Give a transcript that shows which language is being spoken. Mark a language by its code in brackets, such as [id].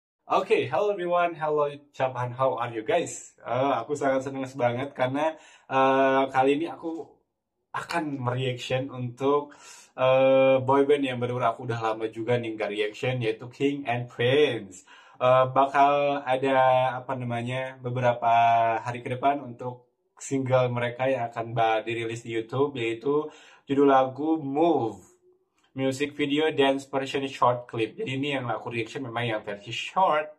[en] Okay, hello everyone, hello Chapan, how are you guys? [id] Aku sangat senang banget karena kali ini aku akan mereaction untuk boyband yang benar-benar aku udah lama juga nih gak reaction, yaitu King and Prince. Bakal ada apa namanya beberapa hari ke depan untuk single mereka yang akan dirilis di YouTube, yaitu judul lagu Move. [en] Music video dance version short clip. [id] Jadi ini yang aku reaction memang yang versi short.